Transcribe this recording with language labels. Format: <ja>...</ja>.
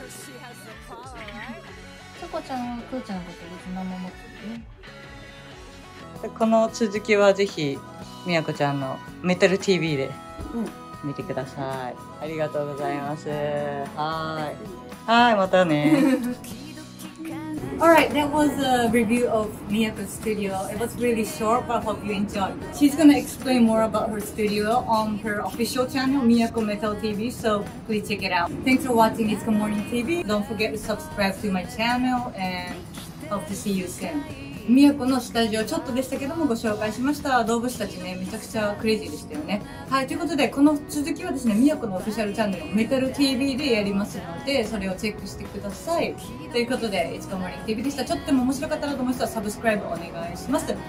<ja>チョコちゃんはクーちゃんのこと別に何も持ってるね。この続きはぜひ、みやこちゃんのメタル TV で見てください。うん、ありがとうございます。はい。はい、またね。</ja> <en>Alright, that was a review of Miyako's studio. It was really short, but I hope you enjoyed. She's gonna explain more about her studio on her official channel, Miyako Metal TV, so please check it out. Thanks for watching ITSUKA Morning TV. Don't forget to subscribe to my channel and hope to see you soon.</en> <ja>Miyako のスタジオちょっとでしたけどもご紹介しました。動物たちね、めちゃくちゃクレイジーでしたよね。はい、ということでこの続きはですね、Miyakoのオフィシャルチャンネル、Metal TV でやりますので、それをチェックしてください。ということで、ITSUKA Morning TV でした。ちょっとでも面白かったなと思う人はサブスクライブお願いします。</ja>